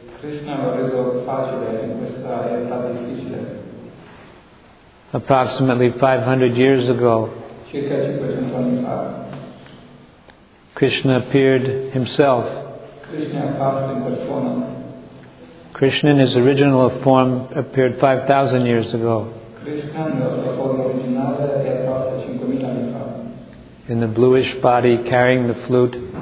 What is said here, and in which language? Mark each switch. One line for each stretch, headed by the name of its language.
Italian: Krishna lo ha reso facile in questa età difficile.
English: Approximately 500 years ago,
Italian: circa 500 anni fa,
English: Krishna appeared himself.
Italian: Krishna è apparso in persona.
English: Krishna in his original form appeared 5,000 years ago.
Italian: Krishna nella sua forma originale è apparso 5,000 anni fa.
English: In the bluish body carrying the flute.